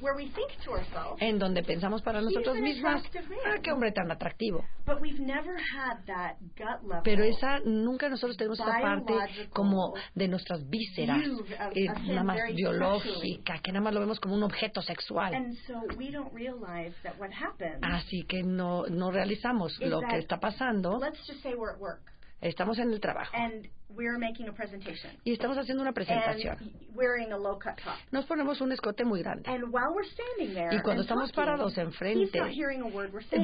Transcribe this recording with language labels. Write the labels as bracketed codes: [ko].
[en] where we think to ourselves, [es] en donde pensamos para nosotros mismas, ¡ah, qué hombre tan atractivo! [en] But we've never had that gut level. [es] Pero esa nunca nosotros tenemos esa parte como de nuestras vísceras, nada más biológica, que nada más lo vemos como un objeto sexual. [en] And so we don't realize that what happens, [es] así que no realizamos lo que está pasando. [en] Let's just say we're at work, [es] estamos en el trabajo [en] and we're making a presentation, [es] y estamos haciendo una presentación [en] and wearing a low cut top. [es] Nos ponemos un escote muy grande [en] and while we're standing there [es] y cuando [en] and [es] estamos [en] talking, [es] parados enfrente [en] he's not hearing a word we're saying.